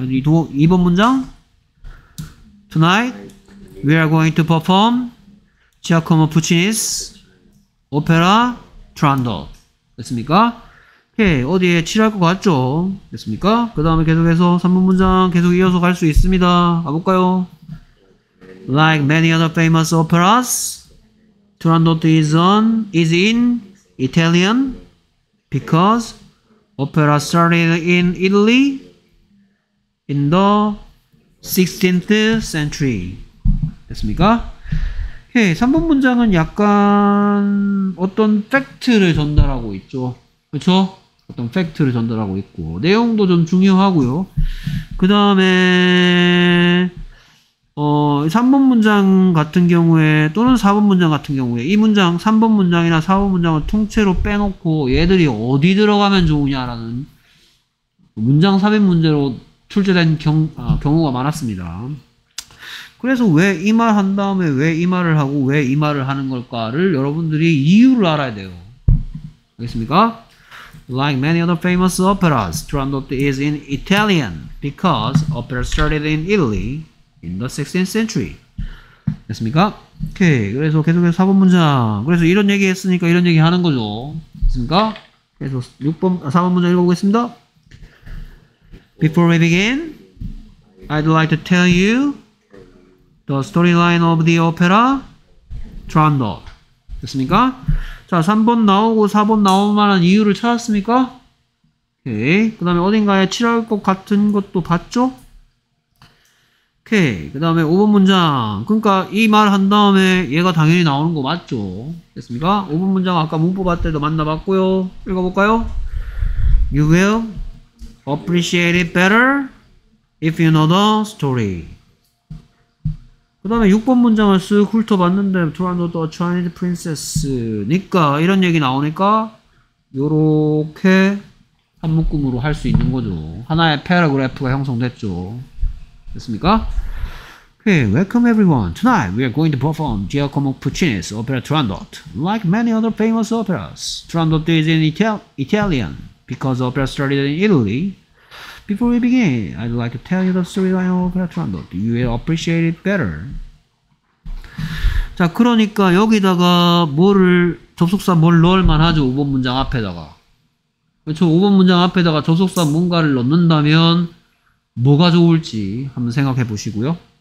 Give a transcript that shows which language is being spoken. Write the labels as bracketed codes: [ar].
[ko] 2번 문장. [en] Tonight we are going to perform Giacomo Puccini's Opera Turandot. [ko] 됐습니까? 오케이, 어디에 칠할 것 같죠? 됐습니까? 그 다음에 계속해서 3번 문장 계속 이어서 갈 수 있습니다. 가볼까요? [en] Like many other famous operas, Turandot is in Italian because opera started in Italy in the 16th century. [ko] 됐습니까? 3번 문장은 약간 어떤 팩트를 전달하고 있죠. 그쵸? 어떤 팩트를 전달하고 있고 내용도 좀 중요하고요. 그 다음에 3번 문장 같은 경우에 또는 4번 문장 같은 경우에 이 문장 3번 문장이나 4번 문장을 통째로 빼놓고 얘들이 어디 들어가면 좋으냐라는 문장 삽입 문제로 출제된 경우가 많았습니다. 그래서 왜 이 말 한 다음에 왜 이 말을 하고 왜 이 말을 하는 걸까를 여러분들이 이유를 알아야 돼요. 알겠습니까? [en] Like many other famous operas, Turandot is in Italian because opera started in Italy in the 16th century. [ko] 됐습니까? 오케이. 그래서 계속해서 4번 문장. 그래서 이런 얘기 했으니까 이런 얘기 하는 거죠. 됐습니까? 그래서 4번 문장 읽어보겠습니다. [en] Before we begin, I'd like to tell you the storyline of the opera Turandot. [ko] 됐습니까? 자, 3번 나오고 4번 나올 만한 이유를 찾았습니까? 오케이. 그 다음에 어딘가에 칠할 것 같은 것도 봤죠? 오케이. 그 다음에 5번 문장. 그러니까 이 말 한 다음에 얘가 당연히 나오는 거 맞죠? 됐습니까? 5번 문장 아까 문법 할 때도 만나봤고요. 읽어볼까요? [en] You will appreciate it better if you know the story. [ko] 그 다음에 6번 문장을 쓱 훑어봤는데 Turandot the Chinese Princess니까 이런 얘기 나오니까 요렇게 한 묶음으로 할 수 있는 거죠. 하나의 패러그래프가 형성됐죠. 됐습니까? [en] Okay, welcome everyone. Tonight we are going to perform Giacomo Puccini's opera Turandot. Like many other famous operas, Turandot is in Italian because the opera started in Italy. Before we begin, I'd like to tell you the storyline of opera Turandot. You will appreciate it better. [ko] 자, 그러니까 여기다가 접속사 뭘 넣을만 하죠, 5번 문장 앞에다가. 그렇죠, 5번 문장 앞에다가 접속사 뭔가를 넣는다면 뭐가 좋을지 한번 생각해 보시고요.